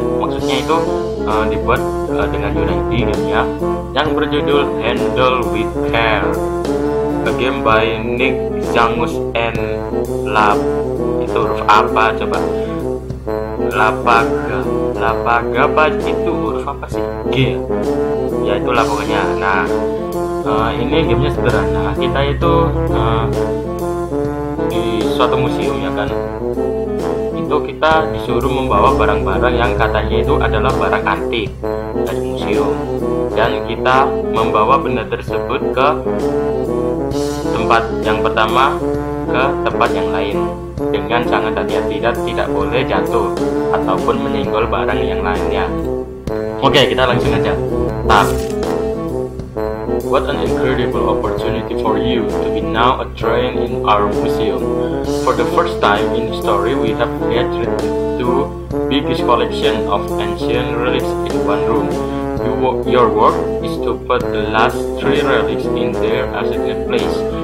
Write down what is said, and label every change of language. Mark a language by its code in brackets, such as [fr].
[id] Maksudnya itu dibuat dengan Unity gitu ya. Yang berjudul Handle with Care. [en] A game by Nick Jangus and Lab. [id] Itu huruf apa coba? Lapaga. Lapaga apa itu huruf apa sih? G. Ya itulah pokoknya. Nah, ini gamenya sederhana. Kita itu di suatu museum ya kan. Itu kita disuruh membawa barang-barang yang katanya itu adalah barang antik dari museum. Dan kita membawa benda tersebut ke tempat yang pertama, ke tempat yang lain, dengan sangat hati-hati dan tidak boleh jatuh ataupun menyinggol barang yang lainnya. Oke, kita langsung aja. Tap. [en] What an incredible opportunity for you to be now a train in our museum. For the first time in history, we have gathered two biggest collection of ancient relics in one room. Your work is to put the last three relics in their assigned place.